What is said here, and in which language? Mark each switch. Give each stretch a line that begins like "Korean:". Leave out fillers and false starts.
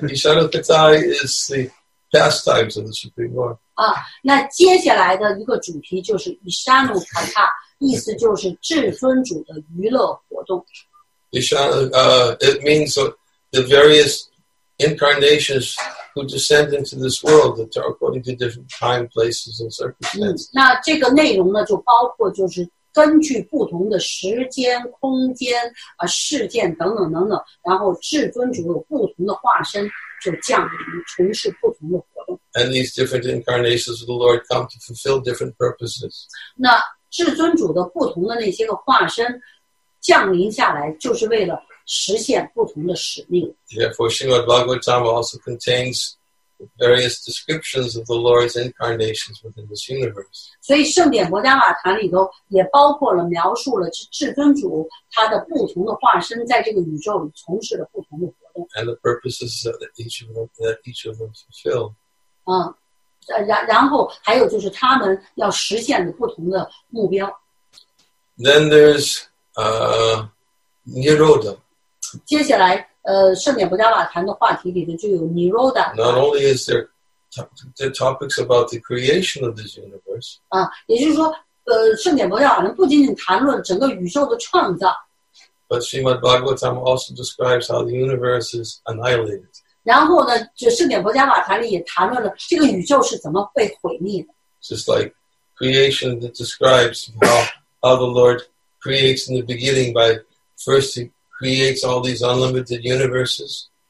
English: Ishanokata is the pastimes of the Supreme Lord.
Chinese: 那接下来的一个主题就是 Ishanokata, 意思就是至尊主的娱乐活动。
English: It means the various incarnations. Who descend into this world that are according to different time, places, and circumstances.
Chinese: 那这个内容呢，就包括就是根据不同的时间、空间、事件等等等等，然后至尊主有不同的化身就降临，从事不同的活动。
English: And these different incarnations of the Lord come to fulfill different purposes.
Chinese: 那至尊主的不同的那些个化身降临下来，就是为了。实现不同的使命。
English: Therefore, Srimad Bhagavatam also contains various descriptions of the Lord's incarnations within this universe.
Chinese: 所以圣典博迦瓦坛里头也包括了描述了至尊主他的不同的化身在这个宇宙里从事了不同的活动。
English: and the purposes that each of them fulfill.
Chinese: 然后还有就是他们要实现的不同的目标。
English: Then there's Nirodha.
Chinese: 接下来, 圣典不加瓦坛的话题里面就有Nirodha。
English: Not only is there the topics about the creation of this universe.
Chinese: 也就是说, 圣典不加瓦坛不仅仅谈论整个宇宙的创造。
English: But Srimad Bhagavatam also describes how the universe is annihilated.
Chinese: 然后呢, 就圣典伯加瓦坛里也谈论了这个宇宙是怎么被毁灭的。
English: It's just like creation that describes how the Lord creates in the beginning by first he creates all these unlimited universes.